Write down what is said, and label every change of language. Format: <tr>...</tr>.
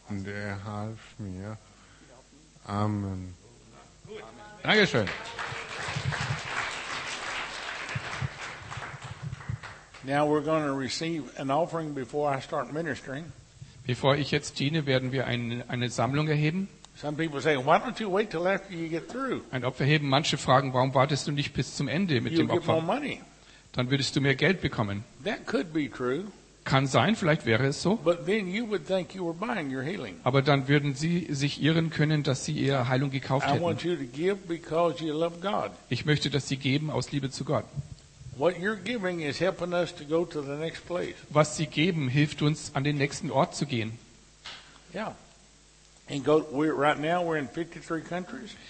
<de>Und er half mir. Amen. Dankeschön.</de> <en>Now we're going to receive an offering before I start ministering.</en> <de>Bevor ich jetzt diene, werden wir eine Sammlung erheben.</de> <en>Some people say, why don't you wait till after you get through?</en> <de>Ein Opfer heben. Manche fragen, warum wartest du nicht bis zum Ende mit</de> <en>you'll</en> <de>dem Opfer?</de> <en>Get more money.</en> <de>Dann würdest du mehr Geld bekommen.</de> <en>That could be true.</en> <de>Kann sein, vielleicht wäre es so. Aber dann würden Sie sich irren können, dass Sie Ihre Heilung gekauft hätten. Ich möchte, dass Sie geben aus Liebe zu Gott. Was Sie geben, hilft uns, an den nächsten Ort zu gehen. Ja.</de> <en>And go, we're, right now we're in 53 countries.</en>